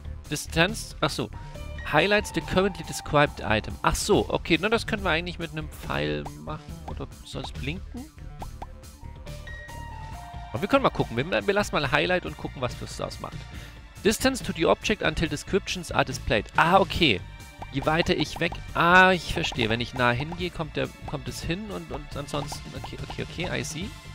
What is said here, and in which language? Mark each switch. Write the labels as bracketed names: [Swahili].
[English] Distance, [German] ach so, [English] highlights the currently described item. [German] Ach so, okay, na, das können wir eigentlich mit einem Pfeil machen oder soll es blinken? Aber wir können mal gucken. Wir lassen mal Highlight und gucken, was das daraus macht. [English] Distance to the object until descriptions are displayed. Ah, okay. [German] Je weiter ich weg, ah, ich verstehe. Wenn ich nah hingehe, kommt es hin und ansonsten, okay, [English] I see.